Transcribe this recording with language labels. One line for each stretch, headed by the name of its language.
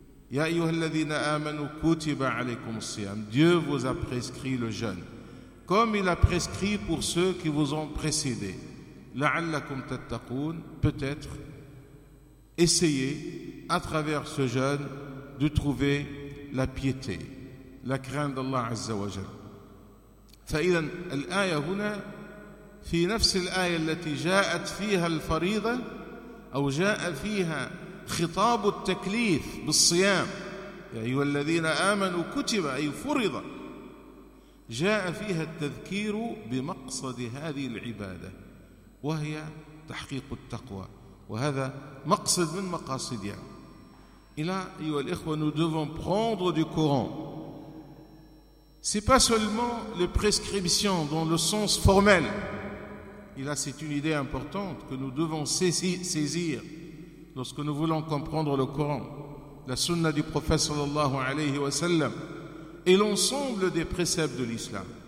Arabic: Ya ayyuhalladhina amanu kutiba alaykum siyam.
French: Dieu vous a prescrit le jeûne, comme il a prescrit pour ceux qui vous ont précédé.
Arabic: La'allakum tattaqoun,
French: peut-être. Essayez, à travers ce jeûne, de trouver la piété, la crainte d'Allah Azza wa Jal.
Arabic: فإذا الآية هنا في نفس الآية التي جاءت فيها الفريضة أو جاء فيها خطاب التكليف بالصيام يا أيها الذين آمنوا كتب أي فرض جاء فيها التذكير بمقصد هذه العبادة وهي تحقيق التقوى. وهذا مقصد من مقاصدها. إلى أيها الإخوة,
French: nous devons prendre du Coran. C'est pas seulement les prescriptions dans le sens formel. Et là, c'est une idée importante que nous devons saisir lorsque nous voulons comprendre le Coran, la Sunna du Prophète sallallahu alayhi wa sallam, et l'ensemble des préceptes de l'islam.